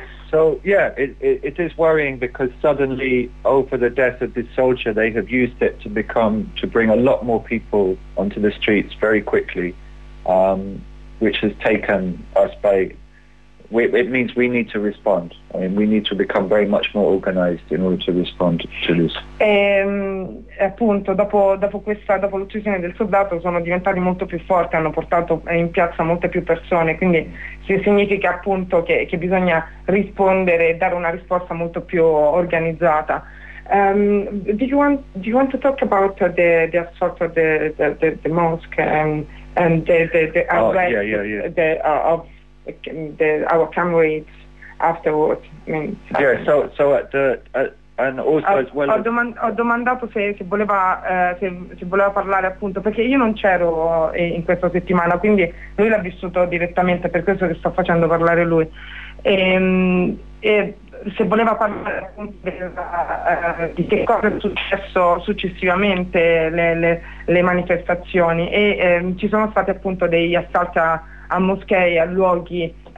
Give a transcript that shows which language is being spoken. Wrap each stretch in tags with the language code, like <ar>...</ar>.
<en>So yeah, it is worrying because suddenly over the death of this soldier they have used it to bring a lot more people onto the streets very quickly, which has taken us by, it means we need to respond. I mean, we need to become very much more organized in order to respond to this.</en> <it>Appunto, dopo l'uccisione del soldato sono diventati molto più forti, hanno portato in piazza molte più persone, quindi significa appunto che bisogna rispondere e dare una risposta molto più organizzata.</it> <en>Do you want to talk about the assault of the mosque and the arrest our comrades afterwards? I mean, so at the and also as well.</en> <it>Ho domandato se voleva parlare appunto, perché io non c'ero in questa settimana, quindi lui l'ha vissuto direttamente, per questo che sto facendo parlare lui. E se voleva parlare appunto di che cosa è successo successivamente le manifestazioni, e ci sono stati appunto degli assalti a moschee, a luoghi</it>